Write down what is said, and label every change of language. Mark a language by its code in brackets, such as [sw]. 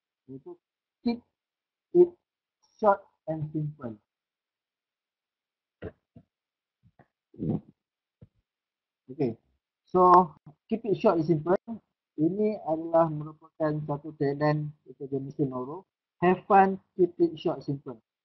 [en] Iaitu keep it short and simple. Okey. So, keep it short and simple. [ms] Ini adalah merupakan satu tagline daripada Mr. Morrow. [en] Have fun, keep it short, simple.